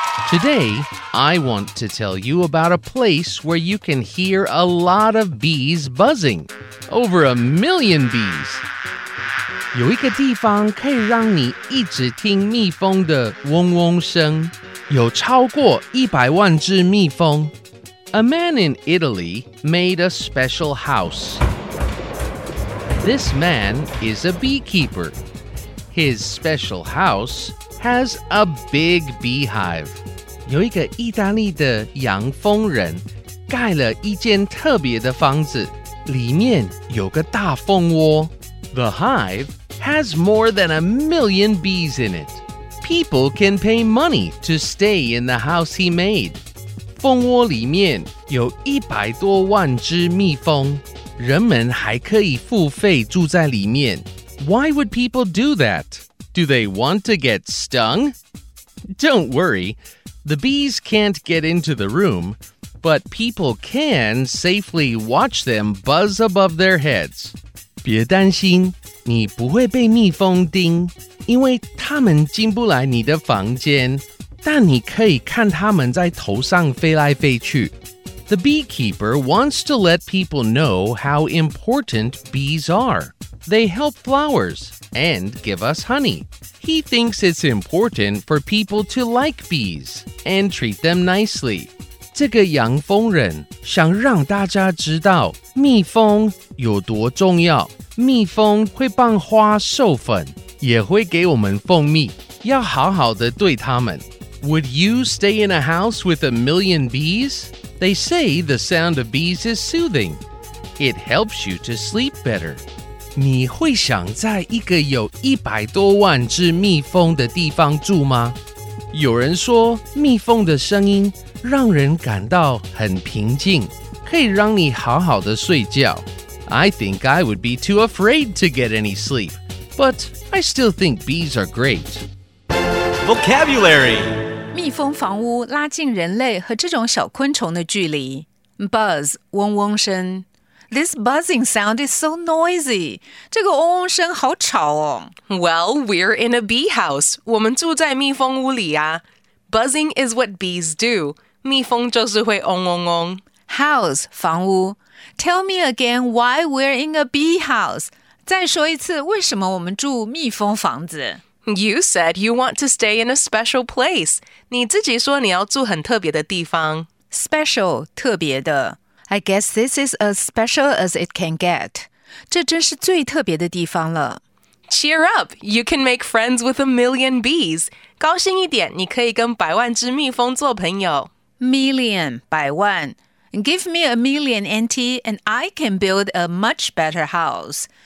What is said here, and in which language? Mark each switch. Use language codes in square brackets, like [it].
[en] Today, I want to tell you about a place where you can hear a lot of bees buzzing. Over 1 million bees. [zh] 有一个地方可以让你一直听蜜蜂的嗡嗡声。有超过100万只蜜蜂。 [en] A man in Italy made a special house. This man is a beekeeper. His special house has a big beehive. [zh] 有一个意大利的养蜂人盖了一间特别的房子，里面有个大蜂窝。 [en] The hive has more than 1 million bees in it. People can pay money to stay in the house he made. [zh] 蜂窝里面有100多万只蜜蜂，人们还可以付费住在里面。 [en] Why would people do that? Do they want to get stung? Don't worry, the bees can't get into the room, but people can safely watch them buzz above their heads. [zh] 别担心，你不会被蜜蜂叮，因为它们进不来你的房间。但你可以看他们在头上飞来飞去。 [en] The beekeeper wants to let people know how important bees are. They help flowers and give us honey. He thinks it's important for people to like bees and treat them nicely. [zh] 这个养蜂人想让大家知道蜜蜂有多重要。蜜蜂会帮花授粉，也会给我们蜂蜜，要好好地对他们。 [en] Would you stay in a house with 1 million bees? They say the sound of bees is soothing. It helps you to sleep better. [zh] 你会想在一个有100多万只蜜蜂的地方住吗？有人说蜜蜂的声音让人感到很平静，可以让你好好的睡觉。 [en] I think I would be too afraid to get any sleep, but I still think bees are great. Vocabulary. [zh] 蜜蜂房屋拉近人类和这种小昆虫的距离。 [en] Buzz, 嗡嗡声。This buzzing sound is so noisy. [zh] 这个嗡嗡声好吵哦。 [en] Well, we're in a bee house. [zh] 我们住在蜜蜂屋里啊。 [en] Buzzing is what bees do. [zh] 蜜蜂就是会嗡嗡嗡。 [en] House, 房屋。 Tell me again why we're in a bee house. [zh] 再说一次为什么我们住蜜蜂房子。 [en] You said you want to stay in a special place. [zh] 你自己说你要住很特别的地方。 [en] Special, 特别的。 I guess this is as special as it can get. [zh] 这真是最特别的地方了。 [en] Cheer up! You can make friends with 1 million bees. [zh] 高兴一点，你可以跟百万只蜜蜂做朋友。 [en] Million, 百万。Give me 1 million, Auntie, and I can build a much better house.